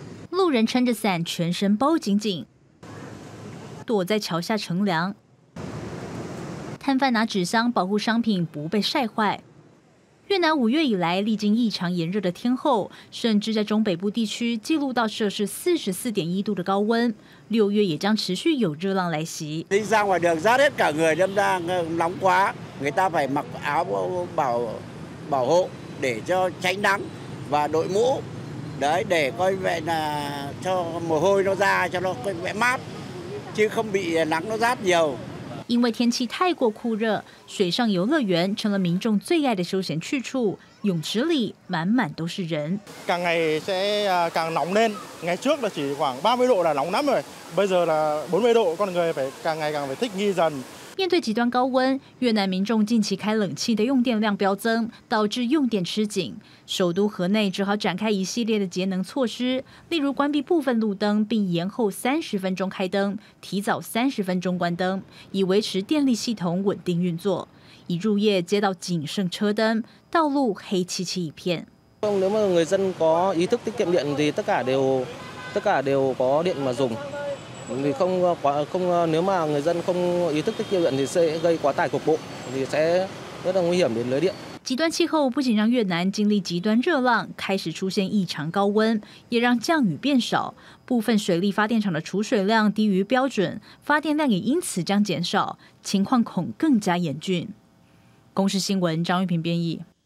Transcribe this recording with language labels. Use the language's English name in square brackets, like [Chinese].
[Chinese] 路人撑着伞，全身包紧紧，躲在桥下乘凉。摊贩拿纸箱保护商品不被晒坏。越南五月以来历经异常炎热的天候，甚至在中北部地区记录到摄氏44.1度的高温。六月也将持续有热浪来袭。 [Vietnamese] đi ra ngoài đường ra hết cả người đâm ra nóng quá, người ta phải mặc áo bảo hộ để cho tránh nắng và đội mũ đấy để coi vậy là cho mồ hôi nó ra cho nó coi vậy mát chứ không bị nắng nó rát nhiều. [Chinese] 因为天气太过酷热，水上游乐园成了民众最爱的休闲去处，泳池里满满都是人。 [Vietnamese] càng ngày sẽ càng nóng lên, ngày trước là chỉ khoảng 30 độ là nóng lắm rồi, bây giờ là 40 độ, con người phải càng ngày càng phải thích nghi dần. [Chinese] 面对极端高温，越南民众近期开冷气的用电量飙增，导致用电吃紧。首都河内只好展开一系列的节能措施，例如关闭部分路灯，并延后30分钟开灯，提早30分钟关灯，以维持电力系统稳定运作。一入夜，街道仅剩车灯，道路黑漆漆一片。如果 [Vietnamese] người dân có ý thức tiết kiệm điện thì tất cả đều có điện mà dùng. Vì không nếu mà người dân không ý thức tiết kiệm điện thì sẽ gây quá tải cục bộ thì sẽ rất là nguy hiểm đến lưới điện. [Chinese] 极端气候不仅让越南经历极端热浪，开始出现异常高温，也让降雨变少，部分水力发电厂的储水量低于标准，发电量也因此将减少，情况恐更加严峻。公视新闻张玉平编译。